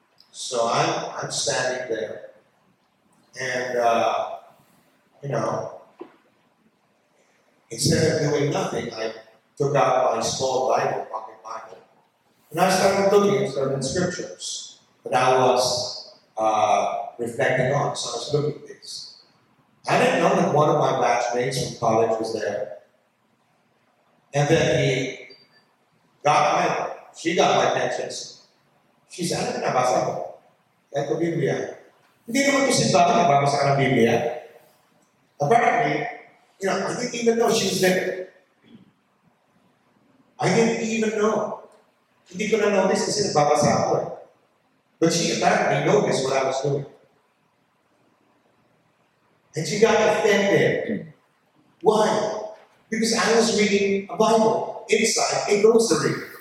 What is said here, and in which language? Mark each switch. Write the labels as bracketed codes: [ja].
[en] So I'm standing there, and you know, instead of doing nothing, I took out my small Bible, pocket Bible, and I started looking at certain scriptures that I was reflecting on. So I was looking at this. I didn't know that one of my batchmates from college was there. And then she got my attention. She said, [tl] "Ano nabasa mo? Eto Biblia." Hindi naman ko siya talaga nabasa ng Biblia. [en] Apparently, you know, I didn't even know she was there. I didn't even know. [tl] Hindi ko na notice kasi nababasa ako. [en] But she apparently noticed what I was doing. And she got offended. Why? Because I was reading a Bible inside a grocery.